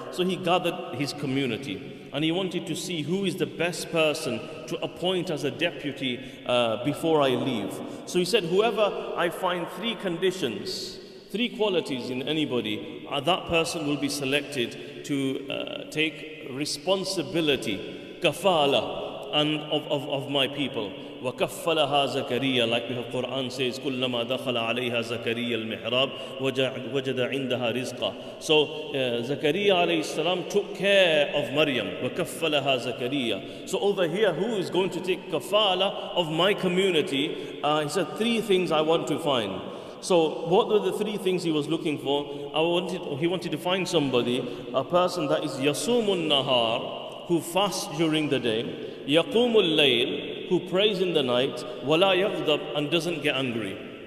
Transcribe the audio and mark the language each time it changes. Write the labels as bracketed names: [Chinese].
[English] So he gathered his community and he wanted to see who is the best person to appoint as a deputy before I leave. So he said, whoever I find three conditions, three qualities in anybody, that person will be selected to take responsibility, kafala, and of my people. [Arabic] وَكَفَّلَهَا زَكَرِيَّا, [English] like we have Quran says, [Arabic] كُلَّمَا دَخَلَ عَلَيْهَا زَكَرِيَّا الْمِحْرَابِ وَجَدَ عِنْدَهَا رِزْقًا. [English] So Zakariya alayhi salam took care of Maryam. [Arabic] وَكَفَّلَهَا زَكَرِيَّا. [English] So over here, who is going to take kafala of my community? He said, three things I want to find. So what were the three things he was looking for? He wanted to find somebody, a person that is [Arabic] يَصُومُ النَّهَار, [English] who fasts during the day, [Arabic] يَقُومُ اللَّيْل, [English] who prays in the night, [Arabic] وَلَا يَغْضَبْ, [English] and doesn't get angry.